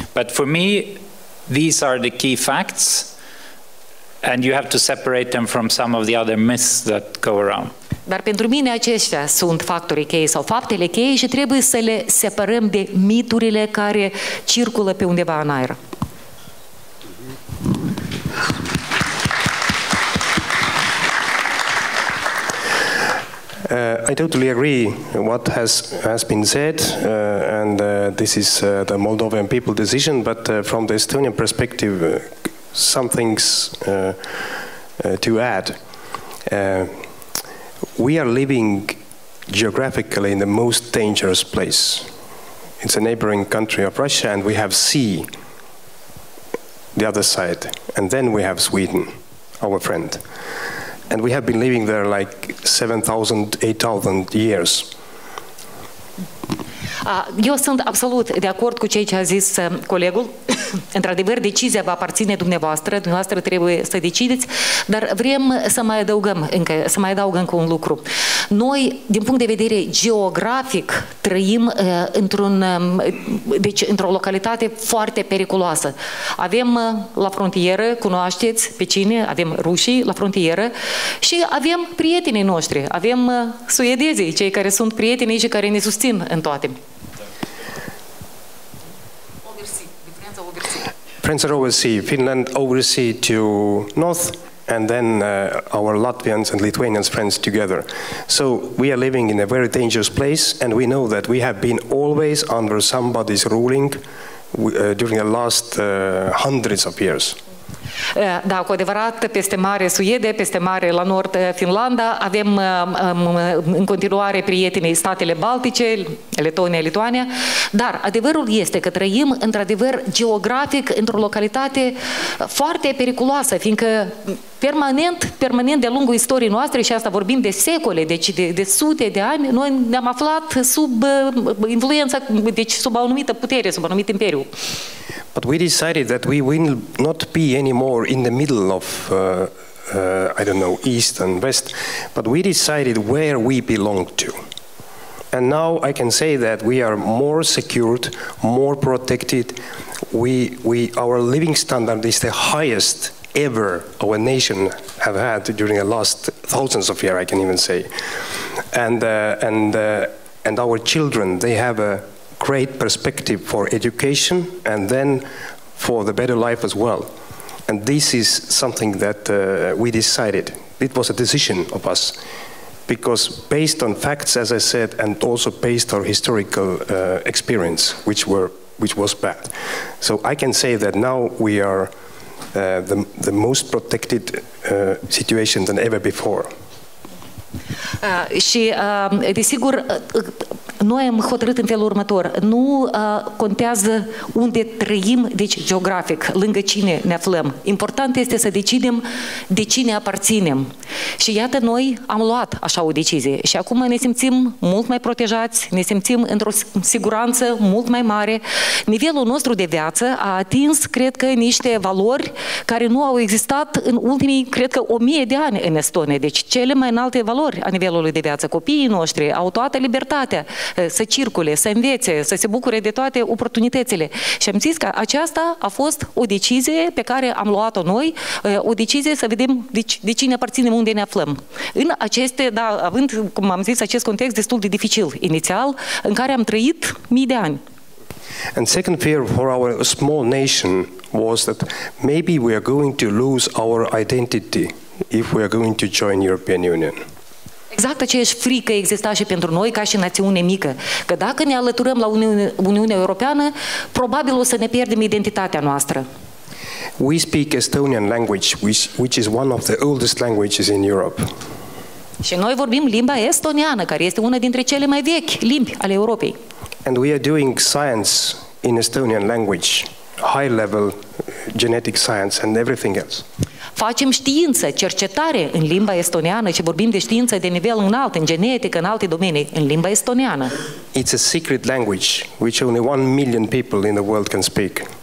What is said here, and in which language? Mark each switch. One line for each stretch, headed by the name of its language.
English: But for me, these are the key facts and you have to separate them from some of the other myths that go around.
Romanian: Dar pentru mine aceștia sunt factorii cheie sau faptele cheie și trebuie să le separăm de miturile care circulă pe undeva în aer.
English: I totally agree what has been said and this is the Moldovan people decision, but from the Estonian perspective some things to add. We are living geographically in the most dangerous place. It's a neighboring country of Russia and we have sea the other side. And then we have Sweden, our friend. And we have been living there like 7,000, 8,000 years.
Romanian: Eu sunt absolut de acord cu ceea ce a zis colegul. Într-adevăr, decizia va aparține dumneavoastră, dumneavoastră trebuie să decideți, dar vrem să mai adăugăm încă, să mai adaugăm cu un lucru. Noi, din punct de vedere geografic, trăim într-o localitate foarte periculoasă. Avem la frontieră, cunoașteți pe cine, avem rușii la frontieră și avem prietenii noștri, avem suedezii, cei care sunt prietenii și care ne susțin în toate.
English: France are oversea, Finland oversea to north, and then our Latvians and Lithuanians friends together. So we are living in a very dangerous place, and we know that we have been always under somebody's ruling during the last hundreds of years.
Romanian: Da, cu adevărat, peste mare Suede, peste mare la nord Finlanda, avem în continuare prietenii statele Baltice, Letonia, Lituania, dar adevărul este că trăim într-adevăr geografic într-o localitate foarte periculoasă, fiindcă permanent de lungul istoriei noastre, și asta vorbim de secole, deci de sute de ani, noi ne-am aflat sub influența, deci sub anumită putere, sub anumit imperiu.
English: But we decided that we will not be anymore in the middle of, I don't know, east and west, but we decided where we belong to. And now I can say that we are more secured, more protected. Our living standard is the highest ever our nation have had during the last thousands of years, I can even say. And our children, they have a great perspective for education and then for the better life as well. And this is something that we decided. It was a decision of us. Because based on facts, as I said, and also based on historical experience, which was bad. So I can say that now we are the most protected situation than ever before.
Romanian: Și desigur, Noi am hotărât în felul următor. Nu contează unde trăim, deci geografic, lângă cine ne aflăm. Important este să decidem de cine aparținem. Și iată, noi am luat așa o decizie. Și acum ne simțim mult mai protejați, ne simțim într-o siguranță mult mai mare. Nivelul nostru de viață a atins, cred că, niște valori care nu au existat în ultimii, cred că, 1000 de ani în Estonia. Deci cele mai înalte valori a nivelului de viață. Copiii noștri au toată libertatea să circule, să învețe, să se bucure de toate oportunitățile. Și am zis că aceasta a fost o decizie pe care am luat-o noi, o decizie să vedem de cine aparținem, unde ne aflăm. În aceste, da, având, cum am zis, acest context destul de dificil inițial, în care am trăit 1000 de ani.
English: And second fear for our small nation was that maybe we are going to lose our identity if we are going to join European Union.
Romanian: Exact aceeași frică exista și pentru noi ca și națiune mică, că dacă ne alăturăm la Uniunea Europeană, probabil o să ne pierdem identitatea noastră.
English: We speak Estonian language, which is one of the oldest languages in Europe.
Romanian: Și noi vorbim limba estoniană, care este una dintre cele mai vechi limbi ale Europei.
English: And we are doing science in Estonian language, high level genetic science and everything else.
Romanian: Facem știință, cercetare în limba estoniană și vorbim de știință de nivel înalt, în genetică, în alte domenii, în limba estoniană.
English: It's a secret language which only 1 million people in the world can speak.